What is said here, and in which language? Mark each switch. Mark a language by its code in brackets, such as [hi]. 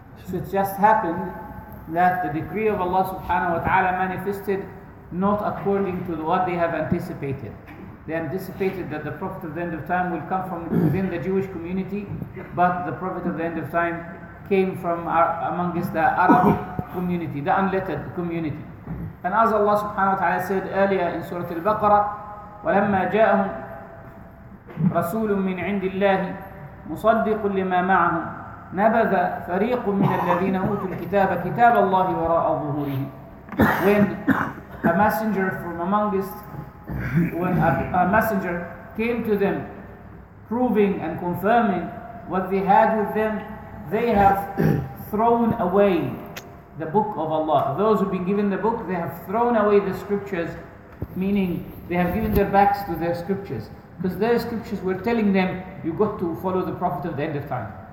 [en] So it just happened that the decree of Allah subhanahu wa ta'ala manifested not according to what they have anticipated. They anticipated that the Prophet of the end of time will come from within the Jewish community, but the Prophet of the end of time came from amongst the Arab community, the unlettered community. And as Allah subhanahu wa ta'ala said earlier in Surah Al-Baqarah, [ar] ولما جاءهم رسول من عند الله مصدق لما معهم نبذ فريق من الذين أوتوا الكتاب كتاب الله وراء ظهورهم. [en] When a messenger from amongst, when a messenger came to them proving and confirming what they had with them, they have thrown away the book of Allah. Those who've been given the book, they have thrown away the scriptures, meaning they have given their backs to their scriptures, because their scriptures were telling them you got to follow the Prophet of the end of time.